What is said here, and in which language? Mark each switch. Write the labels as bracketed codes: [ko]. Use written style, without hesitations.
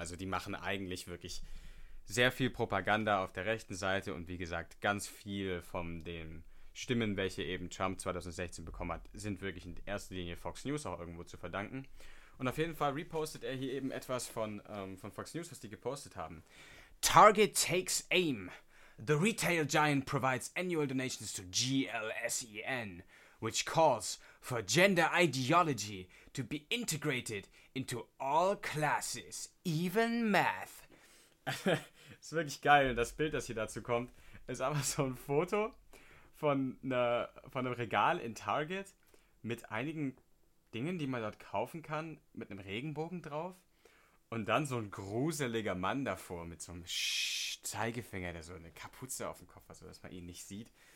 [de] Also die machen eigentlich wirklich sehr viel Propaganda auf der rechten Seite und wie gesagt, ganz viel von dem Stimmen, welche eben Trump 2016 bekommen hat, sind wirklich in erster Linie Fox News auch irgendwo zu verdanken. Und auf jeden Fall repostet er hier eben etwas von Fox News, was die gepostet haben. [en] Target takes aim. The retail giant provides annual donations to GLSEN, which calls for gender ideology to be integrated into all classes, even math. [de] Ist wirklich geil, und das Bild, das hier dazu kommt, ist einfach so ein Foto von einem Regal in Target mit einigen Dingen, die man dort kaufen kann, mit einem Regenbogen drauf. Und dann so ein gruseliger Mann davor mit so einem Zeigefinger, der so eine Kapuze auf dem Kopf hat, sodass man ihn nicht sieht.